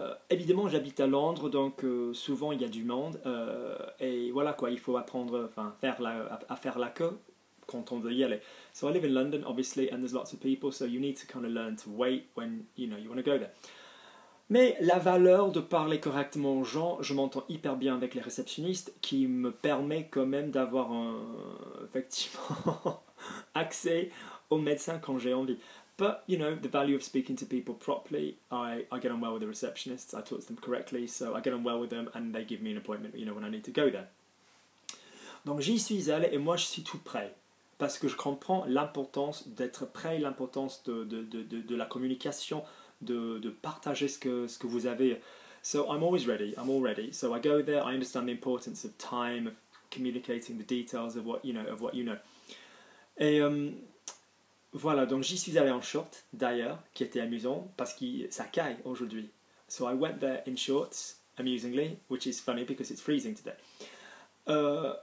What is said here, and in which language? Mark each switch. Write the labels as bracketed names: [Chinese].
[French] Évidemment, j'habite à Londres, donc souvent il y a du monde. Et voilà quoi, il faut apprendre, enfin, à faire la queue quand on veut y aller. [English] So, I live in London, obviously, and there's lots of people, so you need to kind of learn to wait when you know you want to go there. [French] Mais la valeur de parler correctement aux gens, je m'entends hyper bien avec les réceptionnistes, qui me permet quand même d'avoir effectivement accès au médecin quand j'ai envie. [English] But you know, the value of speaking to people properly, I get on well with the receptionists, I talk to them correctly, so I get on well with them and they give me an appointment, you know, when I need to go there. [French] Donc j'y suis allé et moi je suis tout prêt. Parce que je comprends l'importance d'être prêt, l'importance de la communication, de partager ce que vous avez. [English] So I'm always ready, I'm all ready. So I go there, I understand the importance of time, of communicating the details of what you know. [French] Et voilà, donc j'y suis allé en short, d'ailleurs, qui était amusant, parce que ça caille aujourd'hui. [English] So I went there in shorts, amusingly, which is funny because it's freezing today.